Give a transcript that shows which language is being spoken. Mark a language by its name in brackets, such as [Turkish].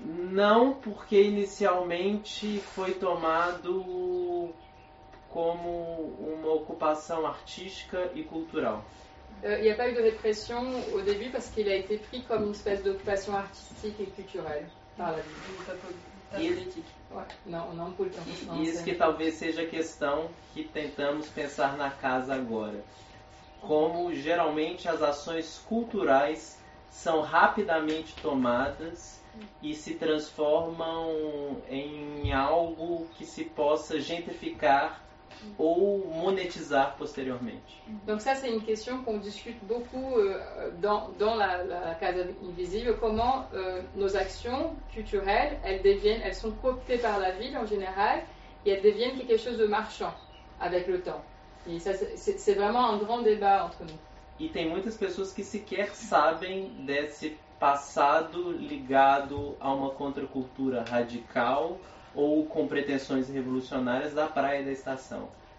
[Portuguese] Não, porque inicialmente foi tomado como uma ocupação artística e cultural. [French] Il n'y a pas eu de répression au début parce qu'il a été pris comme une espèce d'occupation artistique et culturelle par la ville. Non, pas politique. Non, pas politique. Et ce qui [Portuguese] talvez seja a question que tentamos pensar na casa agora. Como geralmente as ações culturais são rapidamente tomadas e se transformam em algo que se possa gentrificar ou monetizar posteriormente. [French] Donc ça c'est une question qu'on discute beaucoup dans la Casa Invisible, comment nos actions culturelles, elles sont cooptées par la ville en général et elles deviennent quelque chose de marchand avec le temps. Et ça c'est vraiment un grand débat entre nous. [Portuguese] E tem muitas pessoas que sequer sabem desse passado ligado a uma contracultura radical ou com pretensões revolucionárias da Praia da Estação.